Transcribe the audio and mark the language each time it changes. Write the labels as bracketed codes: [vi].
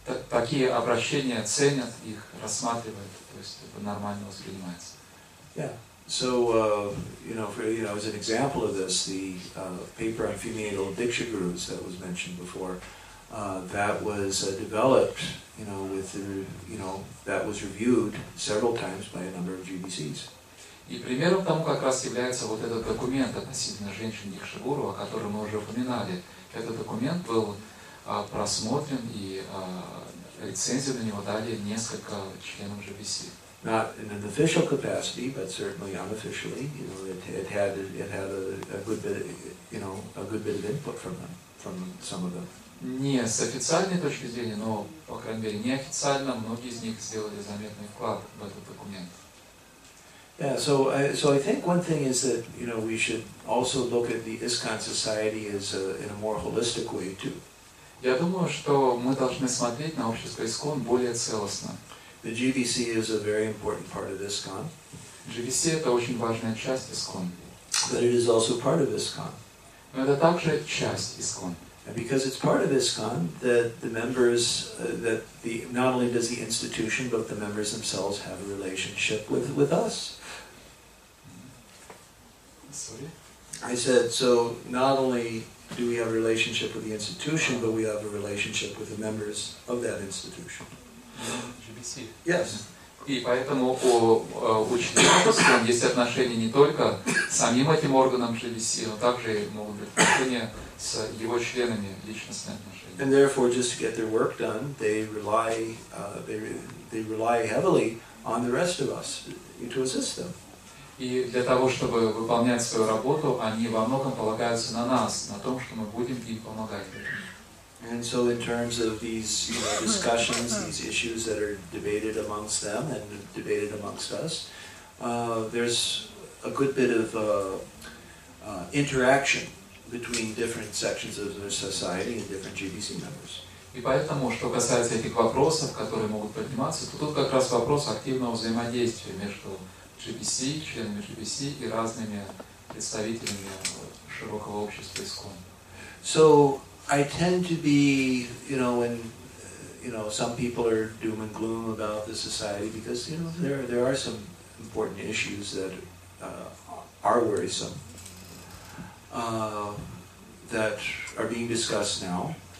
[ru] такие обращения ценят, их рассматривают, то есть это нормально воспринимается. [en] As an example of this, the paper on female diksha gurus that was mentioned before, that was developed, with that was reviewed several times by a number of GBCs. [ru] И примером тому как раз является вот этот документ относительно женщин Дикшигуру, о котором мы уже упоминали. Этот документ был просмотрен, и лицензию на него дали несколько членов GBC. [en] Not in an official capacity, but certainly unofficially, you know, it had a good bit of input from some of them. [ru] Не с официальной точки зрения, но, по крайней мере, неофициально, многие из них сделали заметный вклад в этот документ. [en] Yeah, so I think one thing is that, you know, we should also look at the ISKCON society as in a more holistic way too. [ru] Я думаю, что мы должны смотреть на общество ИСКОН более целостно. [en] The GBC is a very important part of ISKCON. [ru] GBC — это очень важная часть ИСКОН. [en] But it is also part of ISKCON. [ru] Но это также часть ИСКОН. [en] And because it's part of ISKCON, that the members, that the not only does the institution, but the members themselves have a relationship with us. Sorry? I said, so not only do we have a relationship with the institution, but we have a relationship with the members of that institution. GBC. Yes. [ru] И поэтому у учеников ИСКОН есть отношения не только с самим этим органом GBC, но также могут быть отношения с его членами, личностные отношения. [en] And therefore, just to get their work done, they rely heavily on the rest of us to assist them. [ru] И для того, чтобы выполнять свою работу, они во многом полагаются на нас, на том, что мы будем им помогать. [en] And so in terms of these, you know, discussions, these issues that are debated amongst them and debated amongst us, there's a good bit of interaction between different sections of our society and different GBC members. [ru] И поэтому, что касается этих вопросов, которые могут подниматься, то тут как раз вопрос активного взаимодействия между GBC, членами GBC и разными представителями широкого общества ИСКОН. [en] So I tend to be, you know, when, you know, some people are doom and gloom about the society because, you know, there are some important issues that are worrisome, that are being discussed now.